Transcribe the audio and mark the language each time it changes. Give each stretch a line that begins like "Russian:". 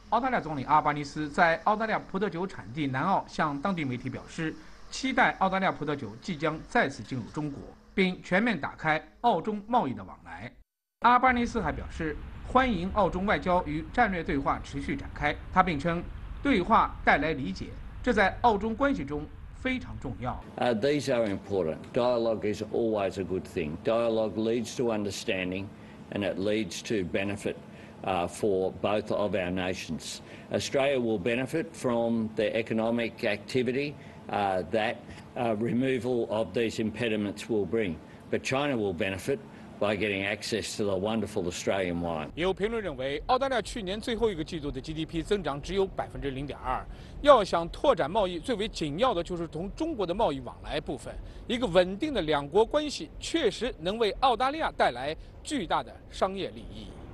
Chinese: 澳大利亚总理阿尔巴尼斯在澳大利亚葡萄酒产地南澳向当地媒体表示，期待澳大利亚葡萄酒即将再次进入中国，并全面打开澳中贸易的往来。阿尔巴尼斯还表示，欢迎澳中外交与战略对话持续展开。他并称，对话带来理解，这在澳中关系中非常重要。
English: These are important. Dialogue is always a good thing. Dialogue leads to understanding, and it leads to benefit. For both of our nations. Australia will benefit from the economic activity that removal of these impediments will bring. But China will benefit by getting access to the wonderful Australian wine.
Chinese: 有评论认为，澳大利亚去年最后一个季度的 GDP 增长只有0.2%。要想拓展贸易，最为紧要的就是同中国的贸易往来部分。一个稳定的两国关系确实能为澳大利亚带来巨大的商业利益。